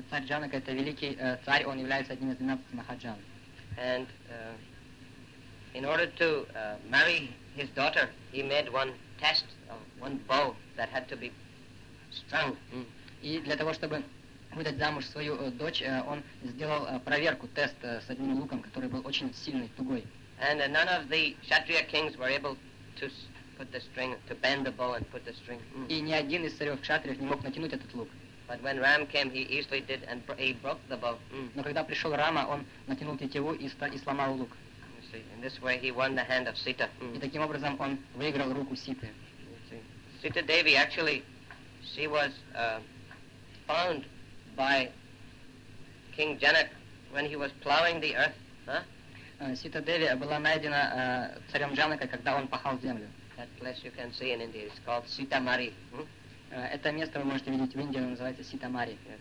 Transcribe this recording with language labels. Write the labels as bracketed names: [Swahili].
[Russian] Царь Джанака — это великий царь, он является одним из 12 Mahajan. [English] And in order to marry his daughter, he made one test, one bow that had to be strung. [Russian] И для того, чтобы выдать замуж свою дочь, он сделал проверку, тест с одним луком, который был очень сильный, тугой. [English] And none of the Kshatriya kings were able to put the string, to bend the bow and put the string. [Russian] И ни один из царев кшатриев не мог натянуть этот лук. [English] But when Ram came, he easily did and he broke the bow. [Russian] Но когда пришел Рама, он натянул тетиву и сломал лук. [English] You see, in this way he won the hand of Sita. [Russian] И таким образом он выиграл руку Ситы. [English] Sita Devi, actually, she was found by King Janak when he was plowing the earth. [Russian] Sita Devi была найдена царем Джанакой, когда он пахал землю. [English] That place you can see in India is called Sitamari. [Russian] Это место вы можете видеть в Индии, оно называется Sitamari.